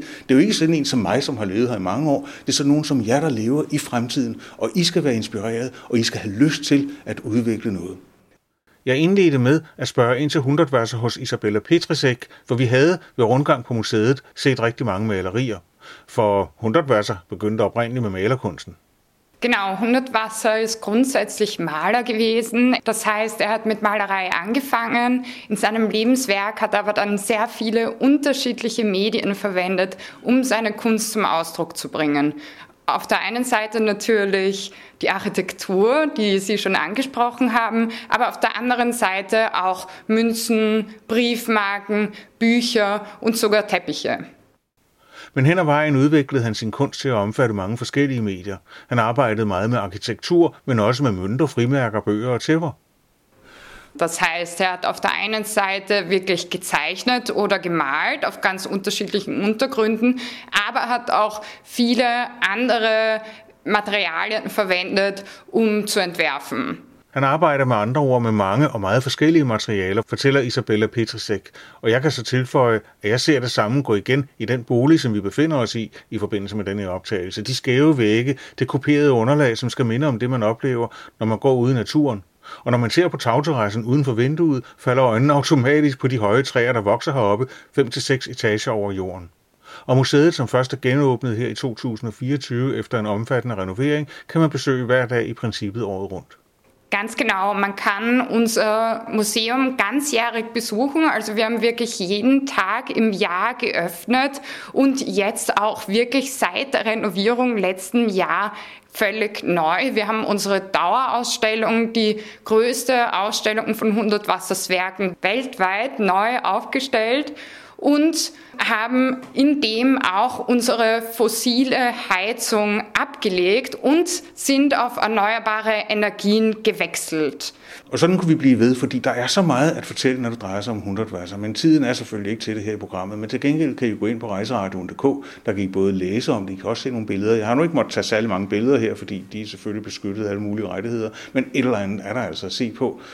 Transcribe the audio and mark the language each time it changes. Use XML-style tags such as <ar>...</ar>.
<da>Det er jo ikke sådan en som mig, som har levet her i mange år. Det er sådan nogen som jer, der lever i fremtiden, og I skal være inspireret, og I skal have lyst til at udvikle noget. Jeg indledte med at spørge ind til Hundertwasser hos Isabella Petrisek, for vi havde ved rundgang på museet set rigtig mange malerier. For 100 Wasser begyndte oprindeligt med malerkunsten.</da> <de>Genau, 100 Wasser ist grundsätzlich Maler gewesen. Das heißt, er hat mit Malerei angefangen. In seinem Lebenswerk hat er aber dann sehr viele unterschiedliche Medien verwendet, um seine Kunst zum Ausdruck zu bringen. Auf der einen Seite natürlich die Architektur, die Sie schon angesprochen haben, aber auf der anderen Seite auch Münzen, Briefmarken, Bücher und sogar Teppiche.</de> <da>Men hen ad vejen udviklede han sin kunst til at omfatte mange forskellige medier. Han arbejdede meget med arkitektur, men også med mønter, frimærker, bøger og tæpper.</da> <de>Das heißt, er hat auf der einen Seite wirklich gezeichnet oder gemalt auf ganz unterschiedlichen Untergründen, aber hat auch viele andere Materialien verwendet, um zu entwerfen.</de> <da>Han arbejder med andre ord med mange og meget forskellige materialer, fortæller Isabella Petrisek. Og jeg kan så tilføje, at jeg ser det samme gå igen i den bolig, som vi befinder os i forbindelse med denne optagelse. De skæve vægge, det kuperede underlag, som skal minde om det, man oplever, når man går ude i naturen. Og når man ser på tagterrassen uden for vinduet, falder øjnene automatisk på de høje træer, der vokser heroppe 5-6 etager over jorden. Og museet, som først er genåbnet her i 2024 efter en omfattende renovering, kan man besøge hver dag i princippet året rundt.</da> <de>Ganz genau, man kann unser Museum ganzjährig besuchen. Also wir haben wirklich jeden Tag im Jahr geöffnet und jetzt auch wirklich seit der Renovierung letzten Jahr völlig neu. Wir haben unsere Dauerausstellung, die größte Ausstellung von 100 Wasserswerken weltweit, neu aufgestellt und haben in dem auch unsere fossile Heizung abgelegt und sind auf erneuerbare Energien gewechselt.</de> <da>Und sådan kunne vi blive ved, fordi der er så meget at fortælle, når det drejer sig om 100 Wasser. Men tiden er selvfølgelig ikke til det her i programmet, men til gengæld kan I gå ind på rejseradion.dk, der kan I både læse om det, I kan også se nogle billeder. Jeg har nu ikke måttet tage særlig mange billeder her, fordi de er selvfølgelig beskyttet af alle mulige rettigheder, men et eller andet er der altså at se på.</da>